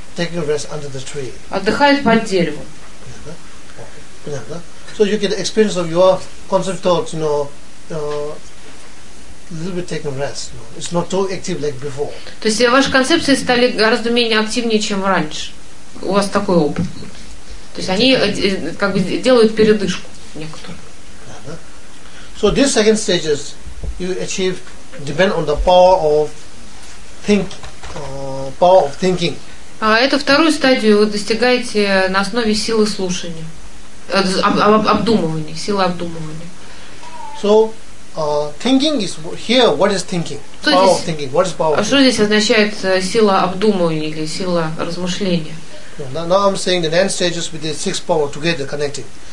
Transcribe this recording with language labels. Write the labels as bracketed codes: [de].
[en] Taking rest under the tree. [ru] Отдыхает под деревом. Понятно? Yeah, okay. [en] So you get the experience of your concept thoughts, you know, little bit taking rest. You know. It's not too active like before. [ru] То есть ваши концепции стали гораздо менее активнее, чем раньше. У вас такой опыт. То есть они как бы делают передышку некоторую. [en] Yeah, so these second stages you achieve depend on the power of thinking. [ru] А эту вторую стадию вы достигаете на основе силы слушания, обдумывания, силы обдумывания. [en] So, thinking is here. What is thinking? [ru] Что [en] power [ru] здесь, [en] of thinking. What is power? [ru] А что здесь означает сила обдумывания или сила размышления? [en] Now I'm saying the nine stages with the six power together connected.